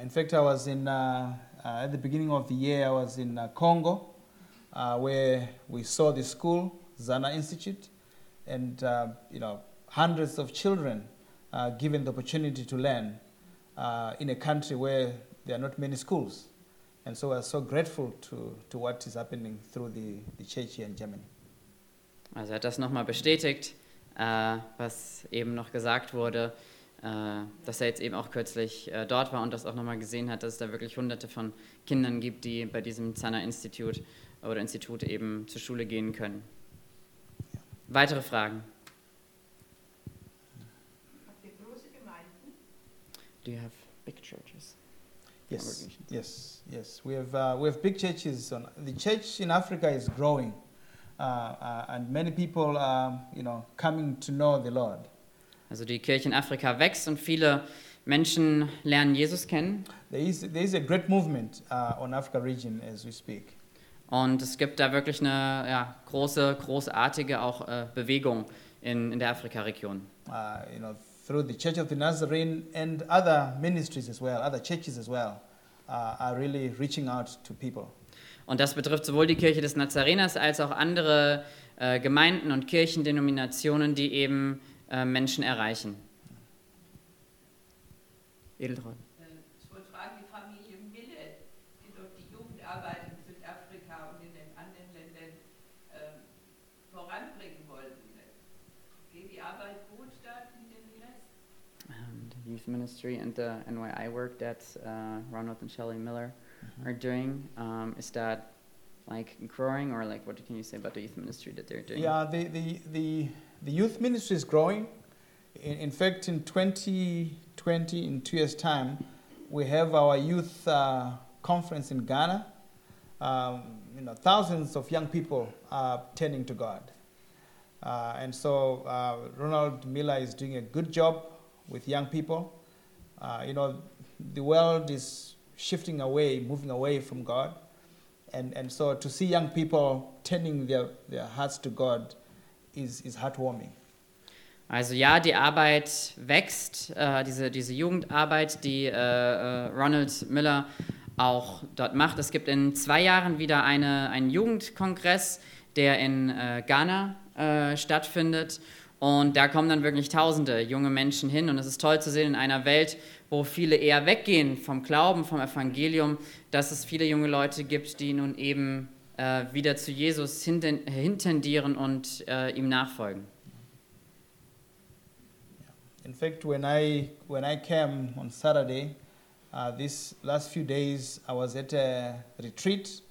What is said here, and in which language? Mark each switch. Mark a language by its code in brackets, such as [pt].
[en] In fact, I was in at the beginning of the year. I was in Congo, where we saw the school Zana Institute, and you know, hundreds of children given the opportunity to learn in a country where there are not many schools, and so we are so grateful to what is happening through the church here in Germany. [de] Also hat das nochmal bestätigt, was eben noch gesagt wurde. Dass er jetzt eben auch kürzlich dort war und das auch nochmal gesehen hat, dass es da wirklich hunderte von Kindern gibt, die bei diesem Zana-Institut oder Institut eben zur Schule gehen können. Ja. Weitere Fragen? Habt ihr große Gemeinden? [en] Do you have big churches? Yes, yes, yes. We have big churches. On, the church in Africa is growing and many people are, you know, coming to know the Lord. [de] Also die Kirche in Afrika wächst und viele Menschen lernen Jesus kennen. [en] There is a great movement on Africa region as we speak. [de] Und es gibt da wirklich eine großartige auch Bewegung in der Afrika Region. [en] You know, through the Church of the Nazarene and other ministries as well, other churches as well, are really reaching out to people. [de] Und das betrifft sowohl die Kirche des Nazareners als auch andere Gemeinden und Kirchendenominationen, die eben Menschen erreichen. Edeltraud. Ich wollte fragen, die Familie Mille, die dort die Jugendarbeit in Südafrika und in den anderen Ländern voranbringen wollen. Geht die Arbeit gut da in den Millers? [en] The Youth Ministry and the NYI work that Ronald and Shelley Miller are doing, is that like growing or like what can you say about the youth ministry that they're doing? Yeah, the youth ministry is growing. In fact, in 2020, in 2 years' time, we have our youth conference in Ghana. You know, thousands of young people are turning to God. And so Ronald Miller is doing a good job with young people. You know, the world is shifting away, moving away from God. And so to see young people turning their hearts to God is heartwarming. [de] Also ja, die Arbeit wächst, diese Jugendarbeit, die Ronald Miller auch dort macht. Es gibt in 2 Jahren wieder einen Jugendkongress, der in Ghana stattfindet. Und da kommen dann wirklich tausende junge Menschen hin. Und es ist toll zu sehen, in einer Welt, wo viele eher weggehen vom Glauben, vom Evangelium, dass es viele junge Leute gibt, die nun eben wieder zu Jesus hintendieren und ihm nachfolgen. [en] In fact, when I came on Saturday, this last few days, I was at a retreat.